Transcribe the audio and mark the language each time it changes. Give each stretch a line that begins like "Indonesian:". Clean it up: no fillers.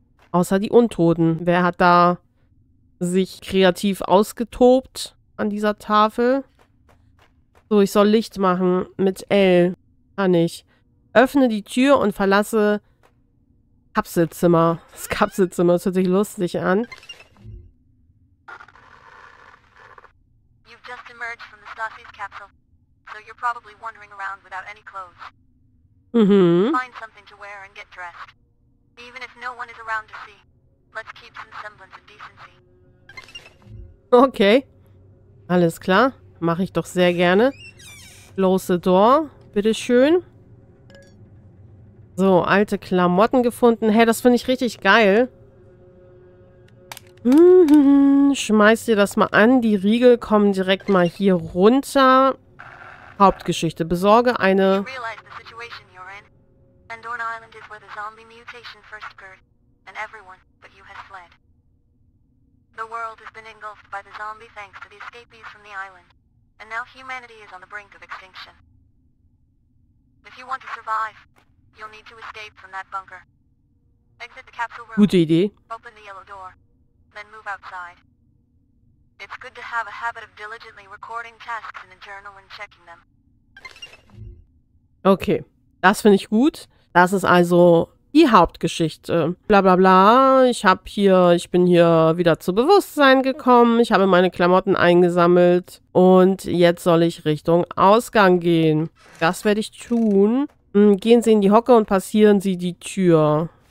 German: Außer die Untoten. Wer hat da sich kreativ ausgetobt an dieser Tafel? So, ich soll Licht machen mit L. Kann ich. Öffne die Tür und verlasse Kapselzimmer. Das Kapselzimmer, das hört sich lustig an.
English: You've just emerged from the Stasis capsule, so you're probably wandering around without any clothes. Find something to wear and get dressed. Even if no one is around to see, let's keep some semblance of decency.
German: Okay. Alles klar. Mache ich doch sehr gerne.
English: Close the door.
German: Bitteschön. So, alte Klamotten gefunden. Hä, das finde ich richtig geil. Schmeiß dir das mal an. Die Riegel kommen direkt mal hier runter. Hauptgeschichte. Besorge eine...
English: You realize the situation you're in. Endorn Island is where the zombie mutation first occurred. And everyone but you has fled. The world has been engulfed by the zombie thanks to the escapees from the island. And now humanity is on the brink of extinction. you want to survive, you'll need to escape from that bunker. Exit the capsule room.
German: Gute Idee.
English: Open the yellow door. Then move outside. It's good to have a habit of diligently recording tasks in the journal and checking them.
German: Okay, das finde ich gut. Das ist also die Hauptgeschichte. Bla bla bla, ich bin hier wieder zu Bewusstsein gekommen. Ich habe meine Klamotten eingesammelt und jetzt soll ich Richtung Ausgang gehen. Das werde ich tun. Gehen Sie in die Hocke und passieren Sie die Tür.